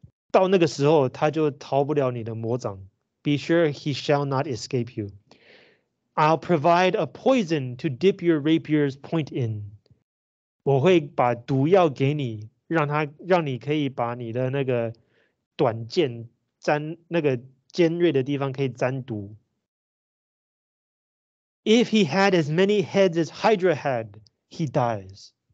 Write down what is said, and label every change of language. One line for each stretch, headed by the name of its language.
Chinese: 到那个时候他就逃不了你的魔掌。
English: Be sure he shall not escape you. I'll provide a poison to dip your rapier's point in.
Chinese: 我会把毒药给你，让你可以把你的那个短剑沾那个尖锐的地方可以沾毒。
English: If he had as many heads as Hydra had, he dies.